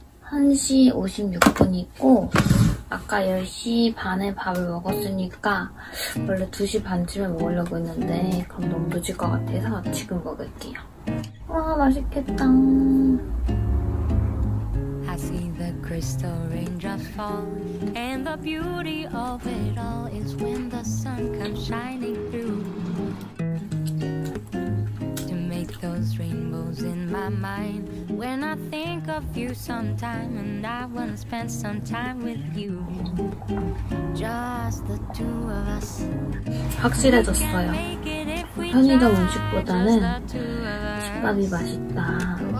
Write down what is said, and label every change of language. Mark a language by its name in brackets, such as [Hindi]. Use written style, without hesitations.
[Korean] 1시 56분이고 아까 10시 반에 밥을 먹었으니까 원래 2시 반쯤에 먹으려고 했는데 그럼 너무 늦을 것 같아서 지금 먹을게요. 와, 맛있겠다. [English] I see the crystal raindrops fall and the beauty of it all is when the sun comes shining through. Those rainbows in my mind when I think of you sometime and I want to spend some time with you just the two of us. [Korean] 확실해졌어요. 편의점 음식보다는 집밥이 맛있다.